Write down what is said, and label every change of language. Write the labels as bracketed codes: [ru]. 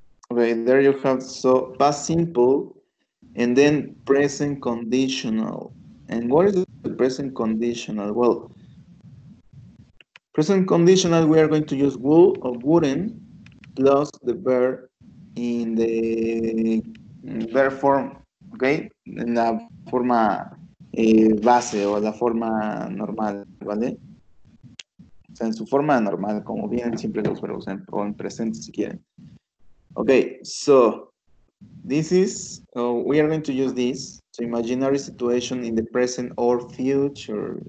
[en] Okay, there you have, so, past simple, and then present conditional. And what is the present conditional? Well, present conditional, we are going to use would or wouldn't plus the verb in the verb form, okay? [es] En la forma base o la forma normal, ¿vale? O sea, en su forma normal, como vienen siempre los verbos en, o en presente si quieren. [en] Okay, so this is, we are going to use this to imaginary situation in the present or future.